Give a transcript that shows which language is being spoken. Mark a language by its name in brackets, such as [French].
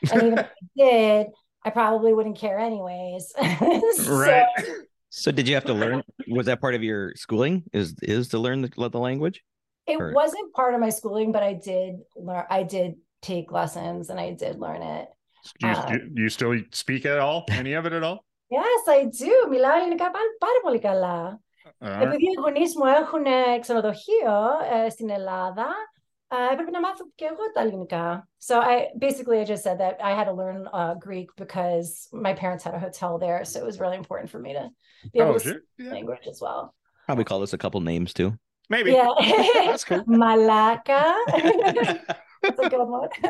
[English] And even if I did, I probably wouldn't care anyways. Right. So did you have to learn, was that part of your schooling, is to learn the language? It wasn't part of my schooling, but I did learn. I did take lessons, and I did learn it. Do you still speak at all? Any of it at all? Yes, I do. [Greek] Μιλάω ελληνικά πάρα πολύ καλά. Επειδή οι γονείς μου έχουν ξενοδοχείο στην Ελλάδα, έπρεπε να μάθω και εγώ τα ελληνικά. [English] So I just said that I had to learn Greek because my parents had a hotel there, so it was really important for me to be able to speak language as well. Probably call this a couple names too. Maybe. Yeah. That's cool. Malacca. That's a good one.